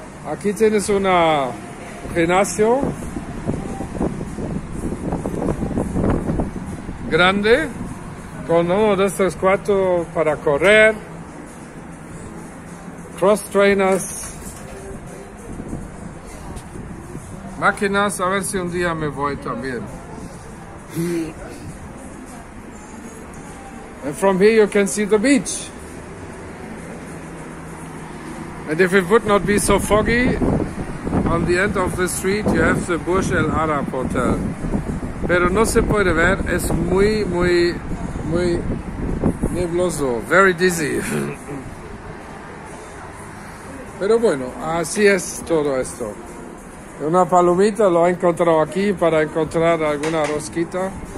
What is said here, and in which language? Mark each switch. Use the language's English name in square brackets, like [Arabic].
[Spanish] Aquí tienes una gimnasio grande con uno de estos cuatro para correr. [English] Cross trainers. [Spanish] Máquinas, a ver si un día me voy también. [English] And from here you can see the beach. And if it would not be so foggy, on the end of the street you have the Burj Al Arab Hotel. [Spanish] Pero no se puede ver, es muy, muy, muy nebuloso, [English] very dizzy. [Spanish] Pero bueno, así es todo esto. Una palomita lo he encontrado aquí para encontrar alguna rosquita.